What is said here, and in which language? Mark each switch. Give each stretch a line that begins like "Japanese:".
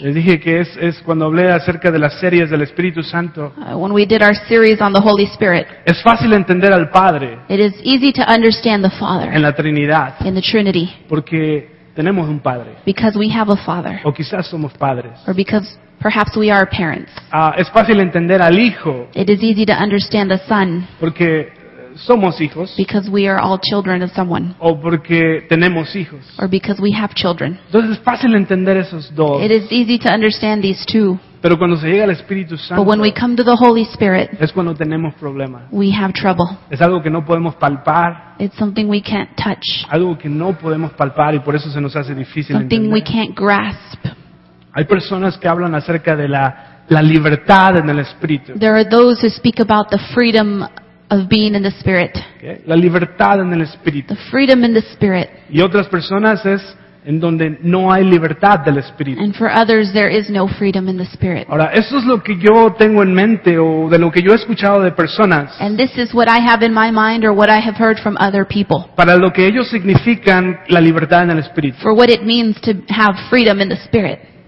Spanish: Les dije que es cuando hablé acerca de las series del Espíritu Santo.
English: When we did our series on the Holy Spirit.
Spanish: Es fácil entender al Padre.
English: It is easy to understand the Father.
Spanish: En la Trinidad.
English: In the Trinity.
Spanish: Porque tenemos un Padre.
English: Because we have a Father.
Spanish: O quizás somos padres.
English: Or because perhaps we are parents.
Spanish: Es fácil entender al Hijo.
English: It is easy to understand the Son.
Spanish: Porque somos hijos.
English: Because we are all children of someone.
Spanish: O porque tenemos hijos.
English: Or because we have children.
Spanish: Entonces es fácil entender esos dos.
English: It is easy to understand these two.
Spanish: Pero cuando se llega al Espíritu Santo,
English: but when we come to the Holy Spirit,
Spanish: es cuando tenemos problemas.
English: We have trouble.
Spanish: Es algo que no podemos palpar.
English: It's something we can't touch.
Spanish: Algo que no podemos palpar y por eso se nos hace difícil entender.
English: Something we can't grasp.
Spanish: Hay personas que hablan acerca de la libertad en el Espíritu.
English: There are those who speak about the freedom of being in the Spirit.
Spanish: Okay. La libertad en el Espíritu.
English: The freedom in the Spirit.
Spanish: Y otras personas es en donde no hay libertad del Espíritu.
English: And for others, there is no freedom in the Spirit.
Spanish: Ahora, eso es lo que yo tengo en mente o de lo que yo he escuchado de personas.
English: And this is what I have in my mind or what I have heard from other people.
Spanish: Para lo que ellos significan la libertad en el Espíritu.
English: For what it means to have freedom in the Spirit.